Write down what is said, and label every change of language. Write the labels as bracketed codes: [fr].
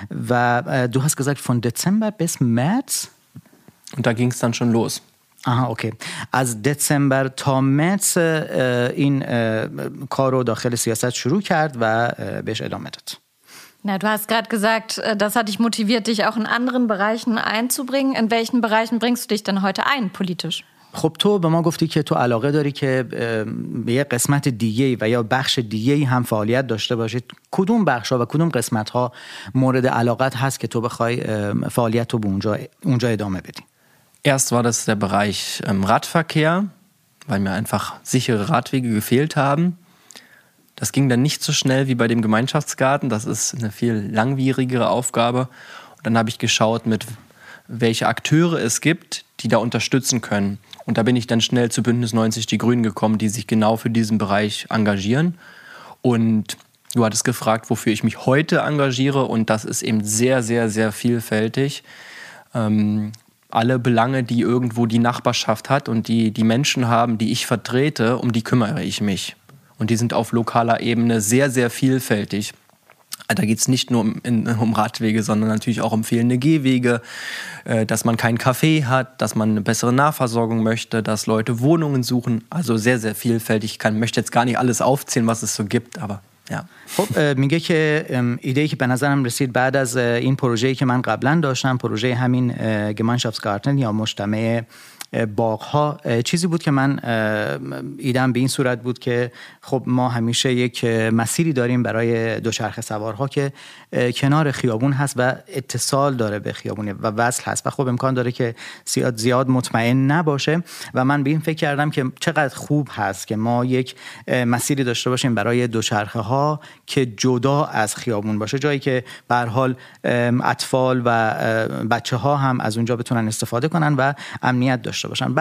[de] و دو هست گذاشت فون دسامبر بس مارس و دا گینگس دان شون لوس. [fa] آها اوکی، از دسامبر تا مارس این کار رو داخل سیاست شروع کرد و بهش ادامه داد. [de] Na, du hast gerade gesagt, das hat dich motiviert, dich auch in anderen Bereichen einzubringen. In welchen Bereichen bringst du dich denn heute ein, politisch? [fa] خب تو به ما گفتی که تو علاقه داری که به یه قسمت دیگه و یا بخش دیگه هم فعالیت داشته باشید. کدوم بخش ها و کدوم قسمت ها مورد علاقت هست که تو بخوای فعالیت رو به اونجا ادامه بدی؟ [de] Erst war das der Bereich Radverkehr, weil mir einfach sichere Radwege gefehlt haben. Das ging dann nicht so schnell wie bei dem Gemeinschaftsgarten. Das ist eine viel langwierigere Aufgabe. Und dann habe ich geschaut, mit welche Akteure es gibt, die da unterstützen können. Und da bin ich dann schnell zu Bündnis 90 Die Grünen gekommen, die sich genau für diesen Bereich engagieren. Und du hattest gefragt, wofür ich mich heute engagiere. Und das ist eben sehr, sehr, sehr vielfältig. Alle Belange, die irgendwo die Nachbarschaft hat und die die Menschen haben, die ich vertrete, um die kümmere ich mich. Und die sind auf lokaler Ebene sehr, sehr vielfältig. Da geht es nicht nur um Radwege, sondern natürlich auch um fehlende Gehwege, dass man keinen Kaffee hat, dass man eine bessere Nahversorgung möchte, dass Leute Wohnungen suchen. Also sehr, sehr vielfältig. Ich möchte jetzt gar nicht alles aufzählen, was es so gibt, aber... [fa] خب میگه که ایده‌ای که به نظرم رسید بعد از این پروژه‌ای که من قبلا داشتم، پروژه همین گمانشافتگارتن یا مجتمع باغ‌ها، چیزی بود که من ایدم به این صورت بود که خب ما همیشه یک مسیری داریم برای دوچرخه سوارها که کنار خیابون هست و اتصال داره به خیابون و وصل هست و خب امکان داره که زیاد مطمئن نباشه و من به این فکر کردم که چقدر خوب هست که ما یک مسیری داشته باشیم برای دوچرخه ها که جدا از خیابون باشه، جایی که به هر حال اطفال و بچه ها هم از اونجا بتونن استفاده کنن و امنیت داشته باشن.